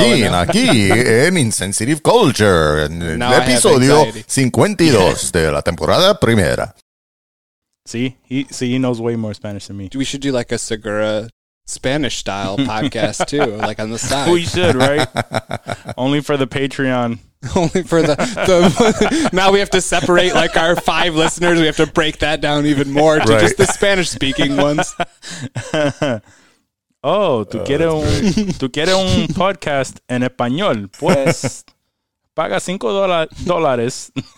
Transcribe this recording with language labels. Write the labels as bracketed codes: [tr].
[es] Aquí, aquí en Insensitive Culture. Now episodio 52 de la temporada primera. [en] See, he knows way more Spanish than me. We should do like a Segura Spanish style podcast too, like on the side. We should, right? Only for the Patreon. Only for the now we have to separate like our five listeners. We have to break that down even more to just the Spanish speaking ones. [es] Oh, tu quieres un podcast en español, pues paga $5.